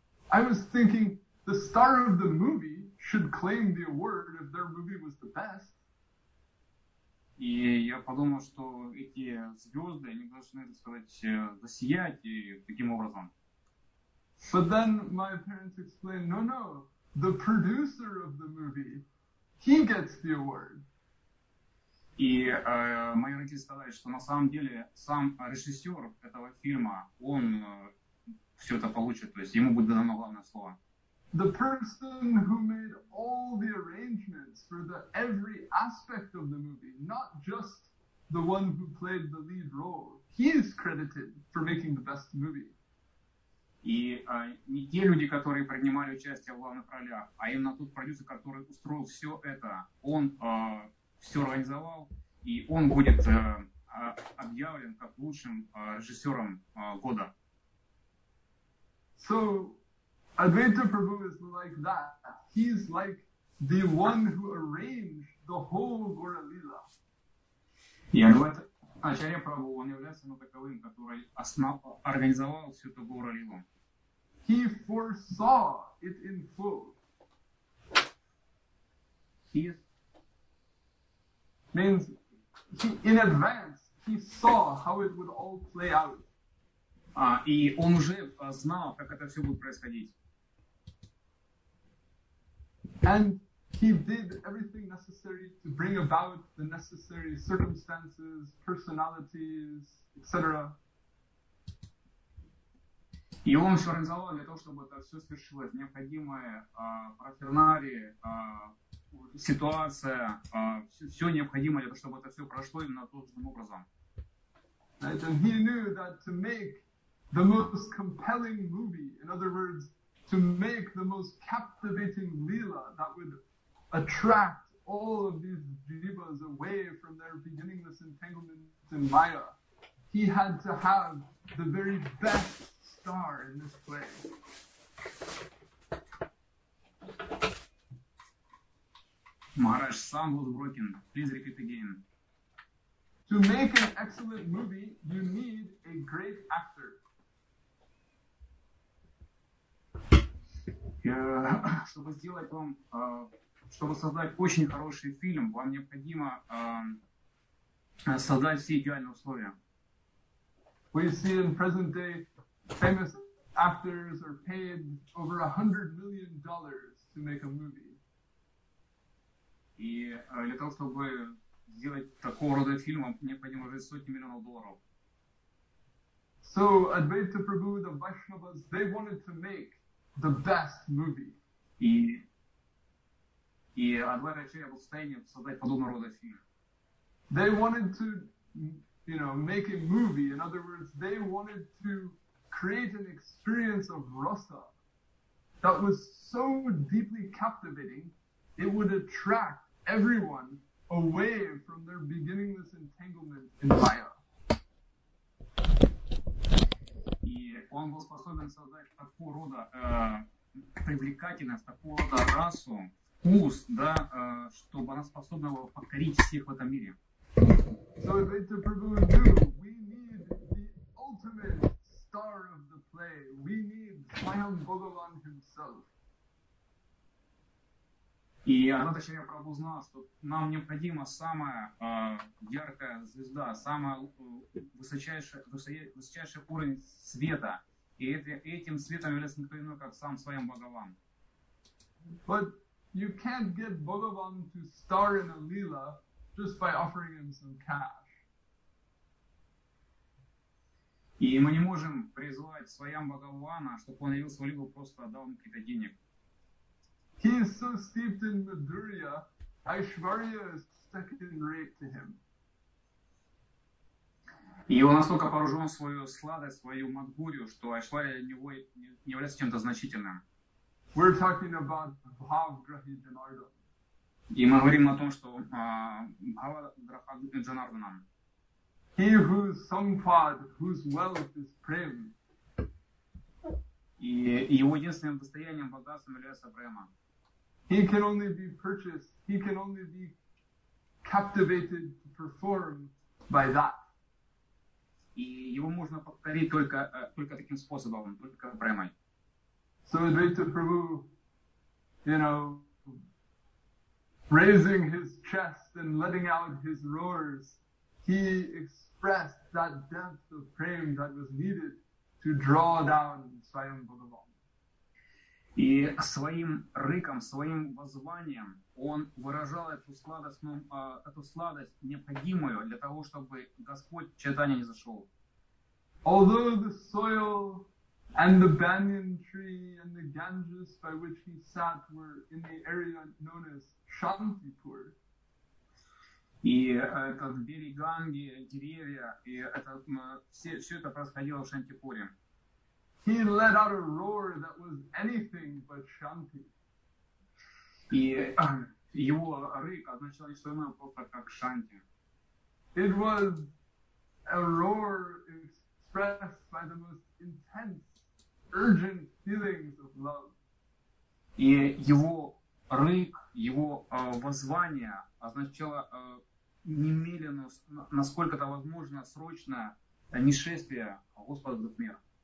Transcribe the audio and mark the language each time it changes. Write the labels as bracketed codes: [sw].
[en] I was thinking the star of the movie should claim the award if their movie was the best. [ru] И я подумал, что эти звезды, они должны, так сказать, засиять и таким образом. [en] But then my parents explained, no, the producer of the movie, he gets the award. [ru] И мои родители сказали, что на самом деле сам режиссер этого фильма, он все это получит, то есть ему будет дано главное слово. [en] The person who made all the arrangements for the every aspect of the movie, not just the one who played the lead role, he is credited for making the best movie. [ru] И не те люди, которые принимали участие в главных ролях, а именно тот продюсер, который устроил все это, он все организовал, и он будет объявлен как лучшим режиссером года. [en] So, Advaita Prabhu is like that. He's like the one who arranged the whole Gaura Lila. [ru] Ачарья Прабху, он является таковым, который организовал всю эту Гаура Лилу. [en] He foresaw it in full. Means he, in advance, he saw how it would all play out. [ru] И он уже знал, как это все будет происходить. [en] And he did everything necessary to bring about the necessary circumstances, personalities, etc. [ru] И он все организовал для того, чтобы это все свершилось. Необходимое парафернарии, ситуация, все необходимое для того, чтобы это все прошло именно должным образом. [en] Right, and he knew that to make the most compelling movie, in other words, to make the most captivating lila that would attract all of these jivas away from their beginningless entanglements in Maya, he had to have the very best star in this play. Maharaj, sound was broken. Please repeat again. To make an excellent movie, you need a great actor. [ru] Чтобы сделать вам, чтобы создать очень хороший фильм, вам необходимо создать все идеальные условия. [en] We see in present day famous actors are paid over $100 million to make a movie. [ru] И для того, чтобы сделать такого рода фильм, вам необходимо уже сотни миллионов долларов. [en] So Advaita Prabhu, the Vaishnavas, they wanted to make the best movie. [ru] И Адвайта Ачарья был в состоянии создать подобного рода фильм. [en] They wanted to, you know, make a movie. In other words, they wanted to create an experience of rasa that was so deeply captivating, it would attract everyone away from their beginningless entanglement in Maya. [ru] И он был способен создать такого рода привлекательность, такого рода расу, вкус, да, чтобы она способна его покорить всех в этом мире. [en] So Advaita Prabhu knew we need the ultimate star of the play. We need Swayam Bhagavan himself. [ru] И Адвайта Ачарья Прабху знал, что нам необходима самая яркая звезда, самая высочайший уровень света. И этим светом является никто иной, как сам Свайам Бхагаван. [en] But you can't get Bhagavan to star in a lila just by offering him some cash. [ru] И мы не можем призвать Свайям Бхагавана, чтобы он явился в Лилу, просто отдал ему какие-то денег. [en] He is so steeped in Madhurya, Aishwarya is stuck in rape to him. [ru] И он настолько поражен в свою сладость, свою Мадгурию, что Айшварья для него не является чем-то значительным. [en] We're talking about Bhavgrahi Janardana. [ru] И мы говорим о том, что Bhavgraha Janardana. [en] He whose sampad, whose wealth is prem. [ru] И его единственным достоянием, богатством является према. [en] He can only be purchased, he can only be captivated to perform by that. [ru] И его можно повторить только таким способом, только премой. [en] So Advaita Prabhu, you know, raising his chest and letting out his roars, he expressed that depth of prem that was needed to draw down Swayam Bhagavan. [ru] И своим рыком, своим воззванием он выражал эту сладость необходимую для того, чтобы Господь Чайтанья не зашел. [en] Although the soil and the banyan tree and the Ganges by which he sat were in the area known as Shantipur. [ru] И этот берег Ганги, деревья, и все это происходило в Шантипуре. [en] He let out a roar that was anything but Shanti. [ru] И его рык означал не что иное, просто как Шанти. [en] It was a roar expressed by the most intense, urgent feelings of love. [ru] И его рык, его воззвание означало немедленно, насколько это возможно, срочное нишествие Господа в этот мир.